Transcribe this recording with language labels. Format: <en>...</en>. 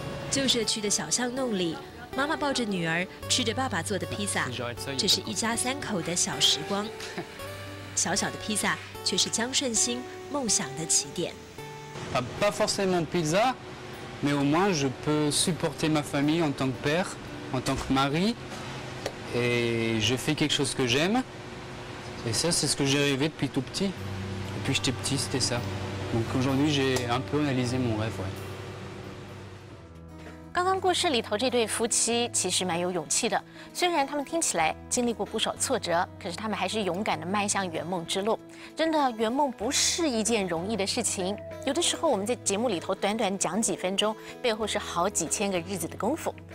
<zh>旧社区的小巷弄里，妈妈抱着女儿吃着爸爸做的披萨，这是一家三口的小时光。小小的披萨却是江顺兴梦想的起点。</zh> <fr>Pas forcément pizza, mais au moins je peux supporter ma famille en tant que père, en tant que mari, et je fais quelque chose que j'aime. Et ça, c'est ce que j'ai rêvé depuis tout petit. Depuis que j'étais petit, c'était ça. Donc aujourd'hui, j'ai un peu réalisé mon rêve, ouais.</fr> <zh>刚刚故事里头这对夫妻其实蛮有勇气的，虽然他们听起来经历过不少挫折，可是他们还是勇敢地迈向圆梦之路。真的，圆梦不是一件容易的事情，有的时候我们在节目里头短短讲几分钟，背后是好几千个日子的功夫。</zh>